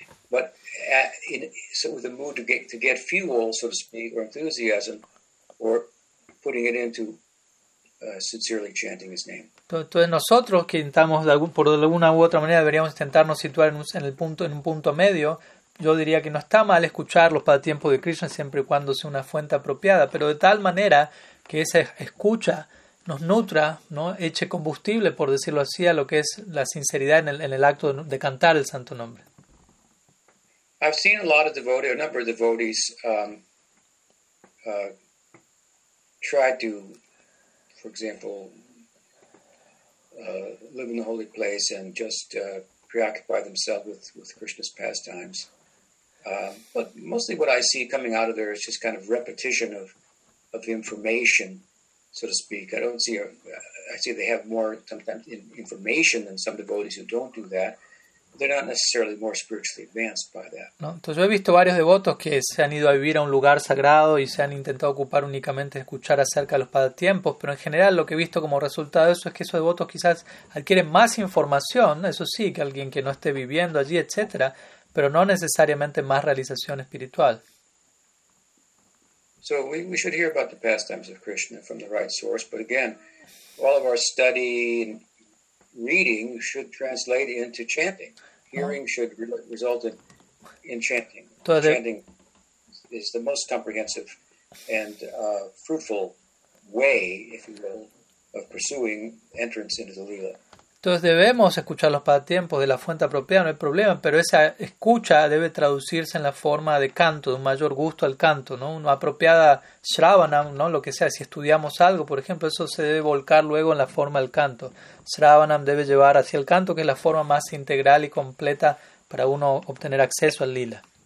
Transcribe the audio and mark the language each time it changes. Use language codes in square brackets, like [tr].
[en] But with a mood to get fuel, so to speak, or enthusiasm, or putting it into sincerely chanting his name. [es] Entonces nosotros que intentamos de alguna u otra manera deberíamos intentarnos situar en un punto medio. Yo diría que no está mal escuchar los pasatiempos de Krishna siempre y cuando sea una fuente apropiada, pero de tal manera que esa escucha nos nutra, ¿no? Eche combustible, por decirlo así, a lo que es la sinceridad en el acto de cantar el santo nombre. [en] I've seen a number of devotees try to, for example, live in the holy place and just preoccupy themselves with Krishna's pastimes. But mostly what I see coming out of there is just kind of repetition of information, so to speak. I see they have more sometimes information than some devotees who don't do that. They're not necessarily more spiritually advanced by that. [es] No, entonces yo he visto varios devotos que se han ido a vivir a un lugar sagrado y se han intentado ocupar únicamente de escuchar acerca de los pasatiempos, pero en general lo que he visto como resultado de eso es que esos devotos quizás adquieren más información, eso sí, que alguien que no esté viviendo allí, etcétera, pero no necesariamente más realización espiritual. [en] So we should hear about the pastimes of Krishna from the right source, but again, all of our study and reading should translate into chanting. Hearing should result in chanting. Chanting is the most comprehensive and fruitful way, if you will, of pursuing entrance into the lila. [es] Entonces debemos escuchar los pasatiempos de la fuente apropiada, no hay problema, pero esa escucha debe traducirse en la forma de canto, de un mayor gusto al canto, ¿no? Una apropiada shravana, ¿no? Lo que sea, si estudiamos algo, por ejemplo, eso se debe volcar luego en la forma del canto. Shravanam debe llevar hacia el canto, que es la forma más integral y completa para uno obtener acceso al lila.